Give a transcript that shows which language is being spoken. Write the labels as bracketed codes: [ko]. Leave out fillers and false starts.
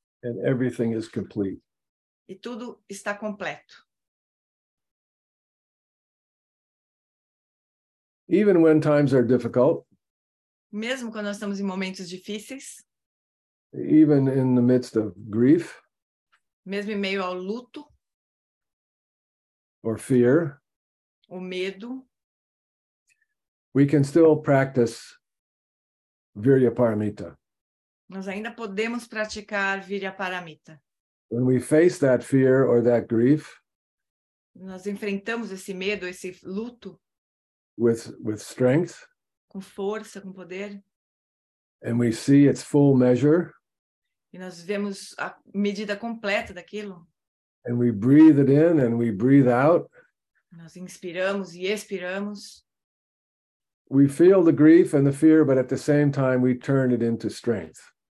[en] And everything is complete. [pt] E tudo está completo. [en] Even when times are difficult. [pt] Mesmo quando nós estamos em momentos difíceis. [en] Even in the midst of grief. [pt] Mesmo em meio ao luto. [en] Or fear, [pt] o medo, [en] we can still practice Viryaparamita. [pt] Nós ainda podemos praticar Viryaparamita. [en] When we face that fear or that grief, [pt] nós enfrentamos esse medo, esse luto, [en] with strength, [pt] com força, com poder, [en] and we see its full measure, [pt] e nós vemos a medida completa daquilo, [en] and we breathe it in and we breathe out, [pt] nós inspiramos e expiramos. [en] We feel the grief and the fear, but at the same time we turn it into strength.